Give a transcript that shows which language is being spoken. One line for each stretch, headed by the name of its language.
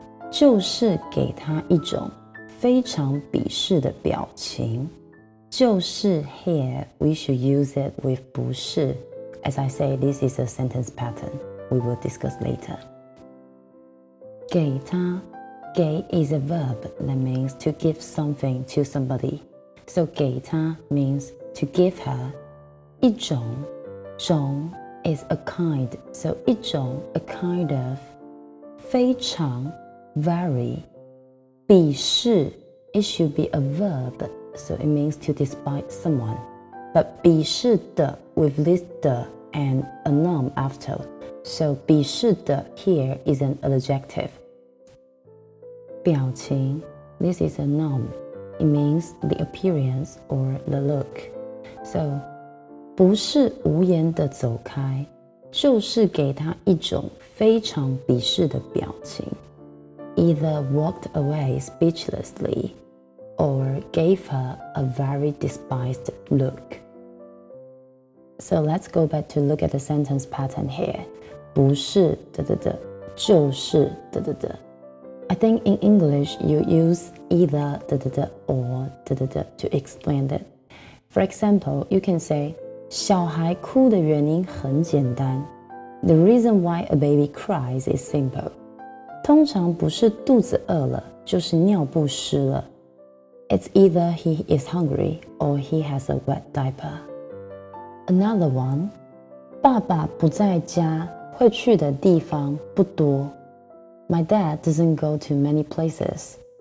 Chinese: 就是给他一种非常鄙视的表情。
English: 就是 here, we should use it with 不是. As I say, this is a sentence pattern. We will discuss later.
Chinese: 给他
English: 给 is a verb that means to give something to somebody. So 给她 means to give her.
Chinese: 一种
English: 种 is a kind. So 一种 a kind of.
Chinese: 非常
English: very.
Chinese: 鄙视
English: it should be a verb. So it means to despise someone. But 鄙视的 with this 的 and a noun after. So 鄙视的 here is an adjective.
Chinese: 表情
English: this is a noun. It means the appearance or the look. So,
Chinese: 不是无言的走开，就是给他一种非常鄙视的表情。
English: Either walked away speechlessly, or gave her a very despised look. So let's go back to look at the sentence pattern here.
Chinese: 不是的的的，就是的的的。
English: I think in English, you use either da da da or da da da to explain it. For example, you can say,
Chinese: 小孩哭的原因很简单。
English: The reason why a baby cries is simple.
Chinese: 通常不是肚子饿了，就是尿不湿了。
English: It's either he is hungry or he has a wet diaper. Another one,
Chinese: 爸爸不在家，会去的地方不多。
English: My dad doesn't go to many places.